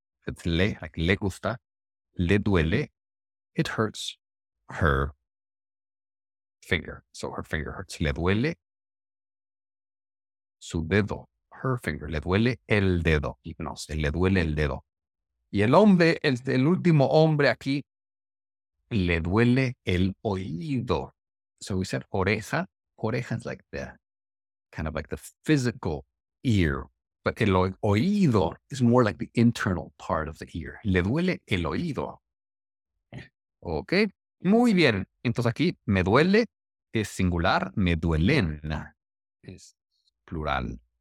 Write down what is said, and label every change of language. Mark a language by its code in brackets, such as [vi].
[en] It's le, like le gusta. [es] Le duele, [en] it hurts her finger. So her finger hurts. [es] Le duele su dedo, [en] her finger. [es] Le duele el dedo. No sé, le duele el dedo. Y el hombre, el último hombre aquí, le duele el oído. [en] So we said oreja. Oreja is like the, kind of like the physical ear, but el oído is more like the internal part of the ear. [es] Le duele el oído. Okay, muy bien. Entonces aquí, me duele es singular, me duelen es plural.